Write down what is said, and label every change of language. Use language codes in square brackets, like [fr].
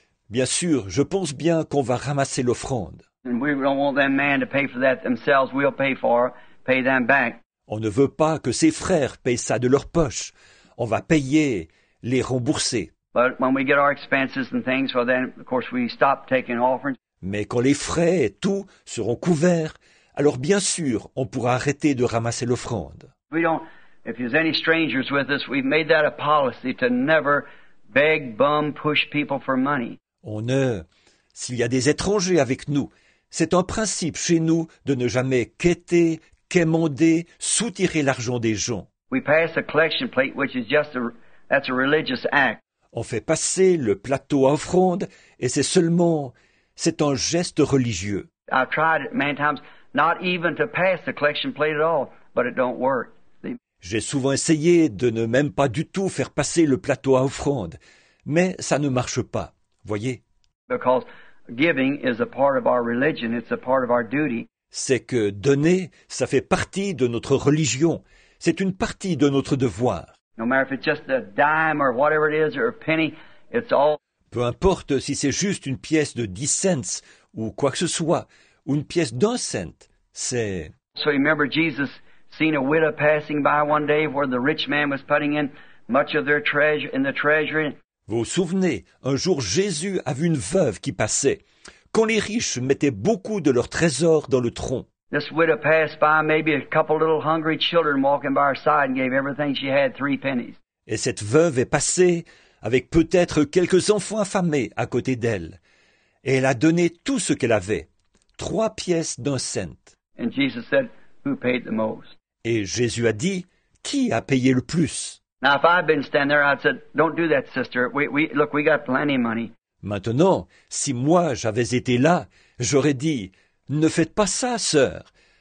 [fr] Bien sûr, je pense bien qu'on va ramasser l'offrande. [en] And we don't want them man to pay for that themselves. We'll pay them back. [fr] On ne veut pas que ses frères payent ça de leur poche. On va payer, les rembourser. [en] But when we get our expenses and things, well then, of course, we stop taking offerings. [fr] Mais quand les frais et tout seront couverts, alors bien sûr, on pourra arrêter de ramasser l'offrande. [en] We don't. If there's any strangers with us, we've made that a policy to never beg, bum, push people for money. [fr] S'il y a des étrangers avec nous, c'est un principe chez nous de ne jamais quêter, quémander, soutirer l'argent des gens. [en] We pass a collection plate, which is just that's a religious act. [fr] On fait passer le plateau à offrande, et c'est un geste religieux. [en] I've tried it many times, not even to pass the collection plate at all, but it don't work. [fr] J'ai souvent essayé de ne même pas du tout faire passer le plateau à offrande, mais ça ne marche pas, voyez. [en] Because giving is a part of our religion, it's a part of our duty. [fr] C'est que donner, ça fait partie de notre religion, c'est une partie de notre devoir. [en] No matter if it's just a dime or whatever it is, or a penny, it's all... [fr] Peu importe si c'est juste une pièce de 10 cents, ou quoi que ce soit, ou une pièce d'un cent, c'est... [en] So you remember Jesus seen a widow passing by one day where the rich man was putting in much of their treasure in the treasury. [fr] Vous souvenez, un jour Jésus a vu une veuve qui passait, quand les riches mettaient beaucoup de leurs trésors dans le tronc. [en] This widow passed by, maybe a couple little hungry children walking by her side and gave everything she had, 3 pennies. [fr] Et cette veuve est passée avec peut-être quelques enfants affamés à côté d'elle. Et elle a donné tout ce qu'elle avait, 3 pièces d'1 cent. [en] And Jesus said, who paid the most? [fr] Et Jésus a dit, qui a payé le plus? [en] Now, if I'd been standing there, I'd said, don't do that, sister. We got plenty of money. [fr] Maintenant, si moi j'avais été là, j'aurais dit, ne faites pas ça, sœur.